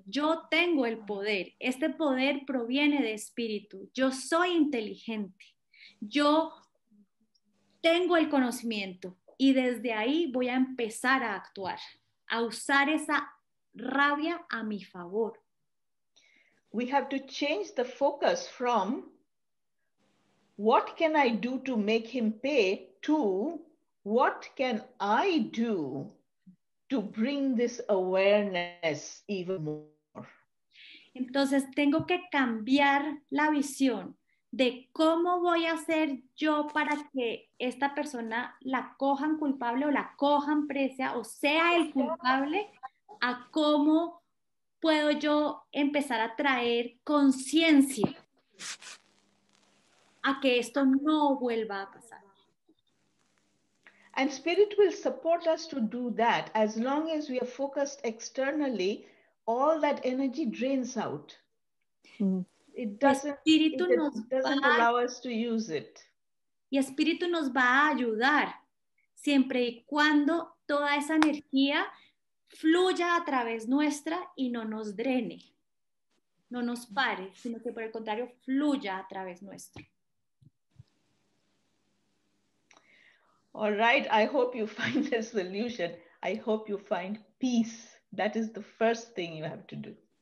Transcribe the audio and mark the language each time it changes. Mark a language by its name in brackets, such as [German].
[Spanish] Yo tengo el poder. Este poder proviene de espíritu. Yo soy inteligente. Yo tengo el conocimiento. Y desde ahí voy a empezar a actuar, a usar esa rabia a mi favor. [English] We have to change the focus from what can I do to make him pay to what can I do to bring this awareness even more. [Spanish] Entonces tengo que cambiar la visión de cómo voy a hacer yo para que esta persona la cojan culpable o la cojan presa o sea el culpable, a cómo puedo yo empezar a traer conciencia a que esto no vuelva a pasar. [English] And spirit will support us to do that. As long as we are focused externally, all that energy drains out. It doesn't allow us to use it. [Spanish] Y espíritu nos va a ayudar siempre y cuando toda esa energía fluya a través nuestra y no nos drene, no nos pare, sino que por el contrario fluya a través nuestro. [English] All right, I hope you find a solution. I hope you find peace. That is the first thing you have to do.